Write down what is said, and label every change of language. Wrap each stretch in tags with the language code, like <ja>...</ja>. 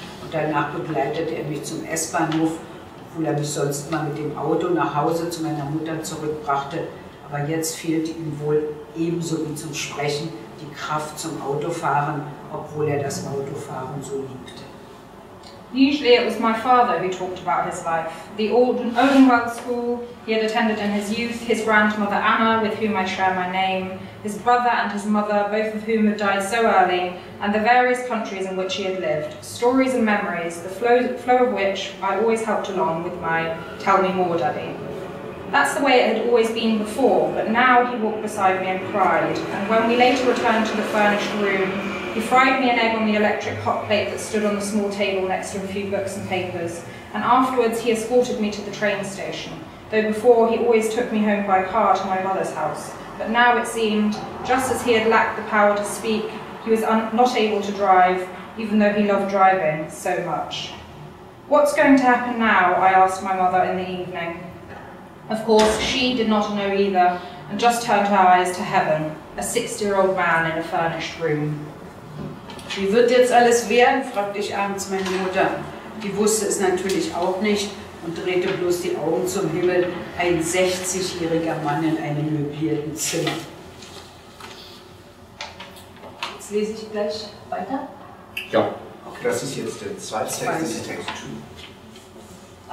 <de>Und danach begleitete er mich zum S-Bahnhof, obwohl er mich sonst immer mit dem Auto nach Hause zu meiner Mutter zurückbrachte. Aber jetzt fehlte ihm wohl ebenso wie zum Sprechen die Kraft zum Autofahren, obwohl er das Autofahren so liebte.</de> <en>Usually it was my father who talked about his life. The Odenwald school he had attended in his youth, his grandmother Anna, with whom I share my name, his brother and his mother, both of whom had died so early, and the various countries in which he had lived. Stories and memories, the flow of which I always helped along with my "Tell me more, Daddy." That's the way it had always been before, but now he walked beside me and cried, and when we later returned to the furnished room, he fried me an egg on the electric hot plate that stood on the small table next to a few books and papers, and afterwards he escorted me to the train station, though before he always took me home by car to my mother's house. But now it seemed, just as he had lacked the power to speak, he was not able to drive, even though he loved driving so much. "What's going to happen now?" I asked my mother in the evening. Of course, she did not know either, and just turned her eyes to heaven, a 6-year-old man in a furnished room.</en> <de>"Wie wird jetzt alles werden?" fragte ich abends meine Mutter. Die wusste es natürlich auch nicht und drehte bloß die Augen zum Himmel. Ein 60-jähriger Mann in einem möblierten Zimmer. Jetzt lese ich gleich weiter. Ja, okay. Das ist jetzt der zweite Text. Das ist Text 2.</de>